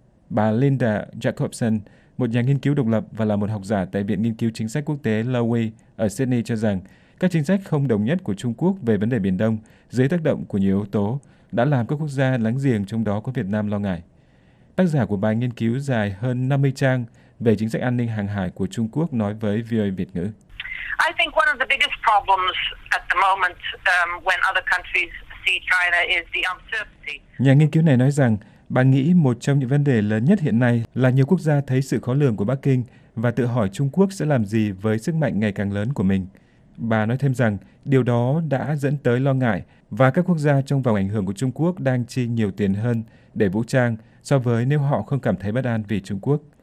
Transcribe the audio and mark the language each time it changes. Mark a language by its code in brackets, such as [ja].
[vi] Bà Linda Jacobson, một nhà nghiên cứu độc lập và là một học giả tại Viện Nghiên cứu Chính sách Quốc tế Lowy ở Sydney cho rằng các chính sách không đồng nhất của Trung Quốc về vấn đề Biển Đông dưới tác động của nhiều yếu tố đã làm các quốc gia láng giềng trong đó có Việt Nam lo ngại. Tác giả của bài nghiên cứu dài hơn 50 trang về chính sách an ninh hàng hải của Trung Quốc nói với VOA Việt ngữ. [en] I think one of the biggest problems at the moment when other countries see China is the uncertainty. [vi] Nhà nghiên cứu này nói rằng, bà nghĩ một trong những vấn đề lớn nhất hiện nay là nhiều quốc gia thấy sự khó lường của Bắc Kinh và tự hỏi Trung Quốc sẽ làm gì với sức mạnh ngày càng lớn của mình. Bà nói thêm rằng điều đó đã dẫn tới lo ngại và các quốc gia trong vòng ảnh hưởng của Trung Quốc đang chi nhiều tiền hơn để vũ trang so với nếu họ không cảm thấy bất an vì Trung Quốc.